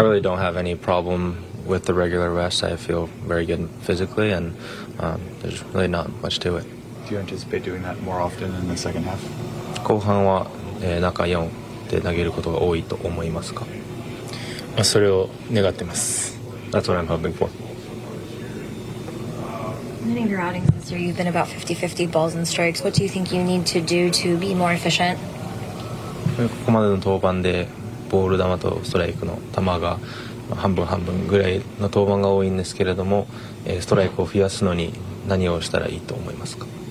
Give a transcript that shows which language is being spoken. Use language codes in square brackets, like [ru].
[en] really don't have any problem with the regular rest. I feel very good physically, and there's really not much to it. Do you anticipate doing that more often in the second half? [ja] 後半は中4で投げることが多いと思いますか? [en] That's what I'm hoping for. Many of your outings this year, you've been about 50-50 balls and strikes. What do you think you need to do to be more efficient? [ja] ここまでの登板でボール球とストライクの球が 半分半分ぐらいの登板が多いんですけれども ストライクを増やすのに何をしたらいいと思いますか?